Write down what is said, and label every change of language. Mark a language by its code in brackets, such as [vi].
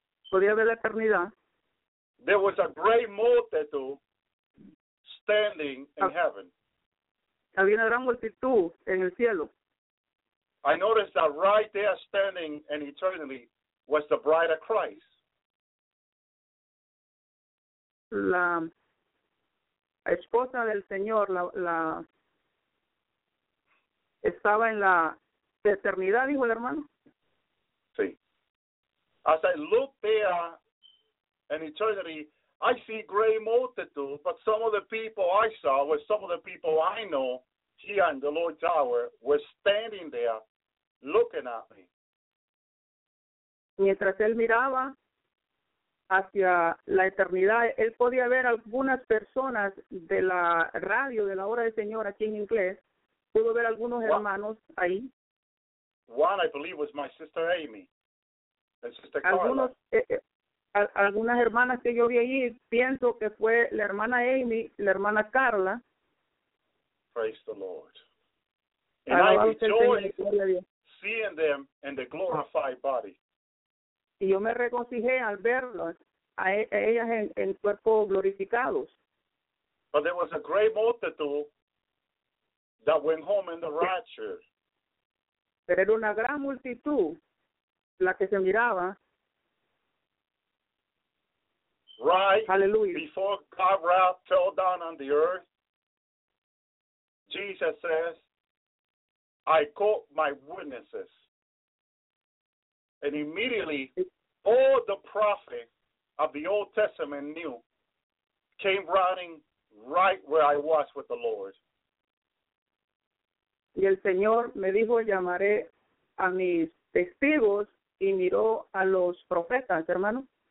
[es] Podía ver la eternidad. [en] There was a great multitude standing in heaven. [es] Había una gran multitud en el cielo. [en] I noticed that right there standing in eternity was the bride of Christ. [es] La esposa del Señor la estaba en la eternidad, dijo el hermano. Sí. [en] As I look there in eternity, I see great multitude, but some of the people I saw were some of the people I know here in the Lord Tower were standing there looking at me. [es] Mientras él miraba hacia la eternidad, él podía ver algunas personas de la radio de la hora del Señor aquí en inglés. Pudo ver algunos hermanos ahí. [en] One, I believe, was my sister Amy and sister Carla. [es] Algunos, algunas hermanas que yo vi ahí, pienso que fue la hermana Amy, la hermana Carla. [en] Praise the Lord. And I rejoice seeing them in the glorified body. [es] Y yo me regocijé al verlos a ellas en cuerpos glorificados. [en] But there was a great multitude that went home in the rapture. [es] Pero era una gran multitud la que se miraba. [en] Right. Hallelujah. Before God's wrath fell down on the earth, Jesus says, I call my witnesses. And immediately, all the prophets of the Old Testament knew, came running right where I was with the Lord. [es] Y el Señor me dijo, llamaré a mis testigos, y miró a los profetas, hermano.